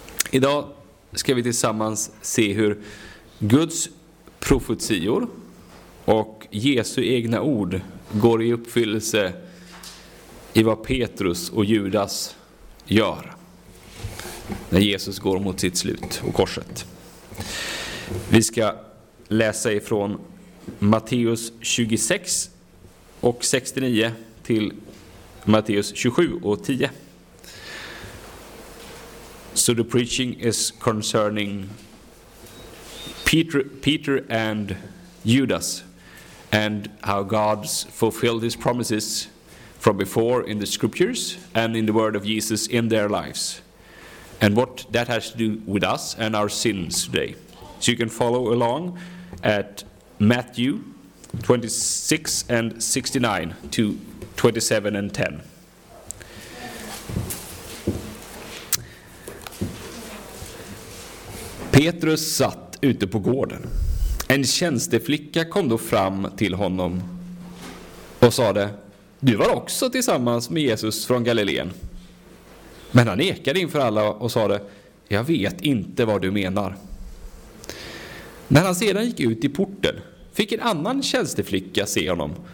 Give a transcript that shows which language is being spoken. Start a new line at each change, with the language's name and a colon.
Swedish: Idag ska vi tillsammans se hur Guds profetior och Jesu egna ord går i uppfyllelse i vad Petrus och Judas gör när Jesus går mot sitt slut och korset. Vi ska läsa ifrån Matteus 26 och 69 till Matteus 27 och 10.
English: So the preaching is concerning Peter and Judas and how God's fulfilled his promises from before in the scriptures and in the word of Jesus in their lives. And what that has to do with us and our sins today. So you can follow along at Matthew 26 and 69 to 27 and 10.
Swedish: Petrus satt ute på gården. En tjänsteflicka kom då fram till honom och sade: du var också tillsammans med Jesus från Galileen. Men han nekade inför alla och sade: jag vet inte vad du menar. När han sedan gick ut i porten fick en annan tjänsteflicka se honom.